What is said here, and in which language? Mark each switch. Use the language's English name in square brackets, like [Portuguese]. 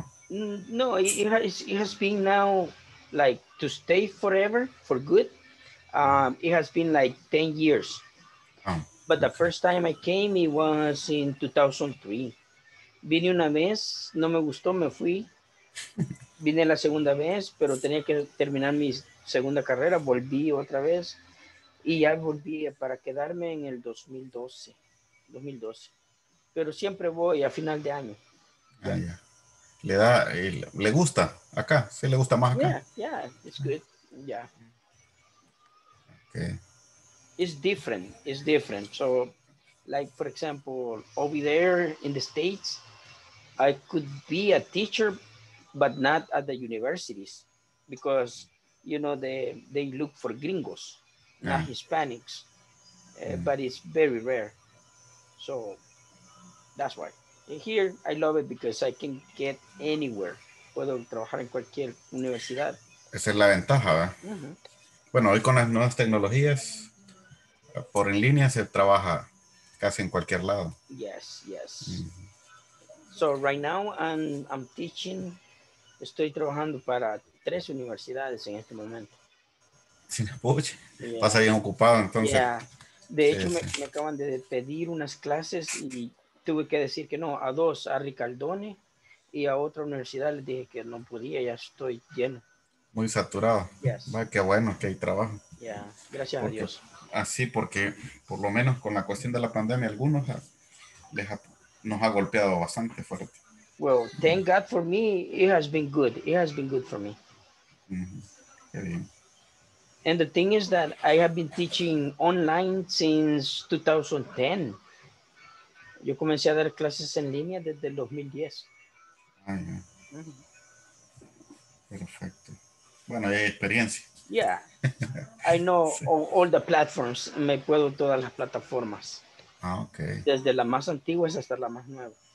[English] No, it has been now, like, to stay forever, for good. It has been like 10 years. Oh, but the first time I came, it was in 2003. [Spanish] Vine una vez, no me gustó, me fui. Vine la segunda vez, pero tenía que terminar mi segunda carrera. Volví otra vez y ya volví para quedarme en el 2012. Pero siempre voy a final de año. Le gusta acá, sí le gusta más acá. [English] It's good, yeah. Okay. It's different. So, like, for example, over there in the States, I could be a teacher, but not at the universities, because, you know, they look for gringos, not Hispanics, but it's very rare. So, that's why. And here, I love it because I can get anywhere. [Spanish] Puedo trabajar en cualquier universidad. Esa es la ventaja, ¿verdad? Mm-hmm. Bueno, hoy con las nuevas tecnologías, por en línea se trabaja casi en cualquier lado. Yes. Mm-hmm. [English] So right now I'm teaching, [Spanish] estoy trabajando para tres universidades en este momento. Sin apoyo, pasa bien ocupado entonces. [English] Yeah. [Spanish] De hecho, me acaban de pedir unas clases y tuve que decir que no, a dos, a Ricaldone y a otra universidad les dije que no podía, ya estoy lleno. Muy saturado. Yes. Qué bueno que hay trabajo. Gracias a Dios. Así, porque por lo menos con la cuestión de la pandemia, algunos nos ha golpeado bastante fuerte. [English] Well, thank God for me, it has been good. It has been good for me. [Spanish] Mm-hmm. Qué bien. [English] And the thing is that I have been teaching online since 2010. [Spanish] Yo comencé a dar clases en línea desde el 2010. Perfecto. Bueno, hay experiencia. [English] I know all the platforms. [Spanish] Me puedo todas las plataformas. Ah, okay. Desde la más antigua hasta la más nueva.